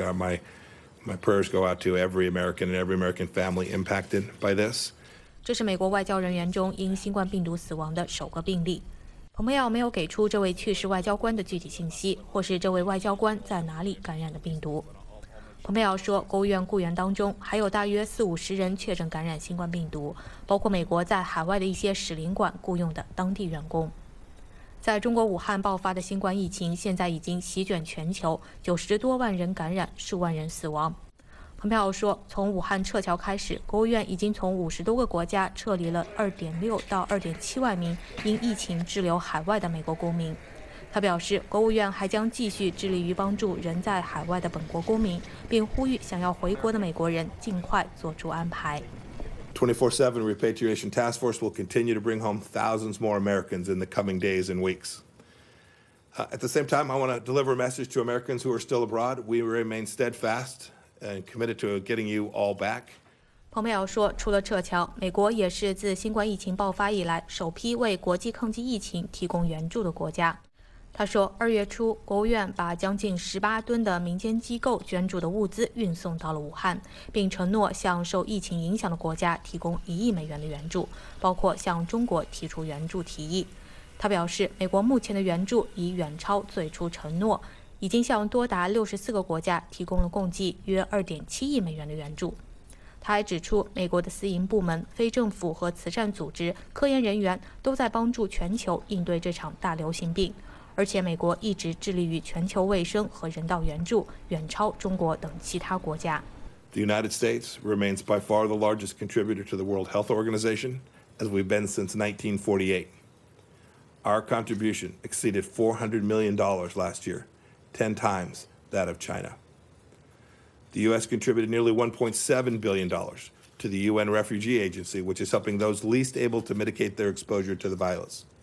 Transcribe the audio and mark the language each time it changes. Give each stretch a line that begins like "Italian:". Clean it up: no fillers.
English: My prayers go out to every American and every American family impacted by this.
Chinese: 这是美国外交人员中因新冠病毒死亡的首个病例。蓬佩奥没有给出这位去世外交官的具体信息，或是这位外交官在哪里感染的病毒。蓬佩奥说，国务院雇员当中还有大约40-50人确诊感染新冠病毒，包括美国在海外的一些使领馆雇用的当地员工。在中国武汉爆发的新冠疫情现在已经席卷全球，90多万人感染，数万人死亡。蓬佩奥说，从武汉撤侨开始，国务院已经从50多个国家撤离了2.6到2.7万名因疫情滞留海外的美国公民。他表示，国务院还将继续致力于帮助人在海外的本国公民，并呼吁想要回国的美国人尽快做出安排。
English: 24/7 Repatriation Task Force will continue to bring home thousands more Americans in the coming days and weeks. At the same time, I want to deliver a message to Americans who are still abroad. We remain steadfast. And committed to getting you all back.
Chinese: 蓬佩奥说，除了撤侨，美国也是自新冠疫情爆发以来首批为国际抗击疫情提供援助的国家。他说，2月初，国务院把将近18吨的民间机构捐助的物资运送到了武汉，并承诺向受疫情影响的国家提供$1亿的援助，包括向中国提出援助提议。他表示，美国目前的援助已远超最初承诺。已经向多达64个国家提供了共计约$2.7亿的援助。他还指出，美国的私营部门、非政府和慈善组织、科研人员都在帮助全球应对这场大流行病，而且美国一直致力于全球卫生和人道援助，远超中国等其他国家。
English: The United States remains by far the largest contributor to the World Health Organization, as we've been since 1948. Our contribution exceeded $400 million last year. 10 times that of China. The U.S. contributed nearly $1.7 billion to the UN Refugee Agency, which is helping those least able to mitigate their exposure to the virus.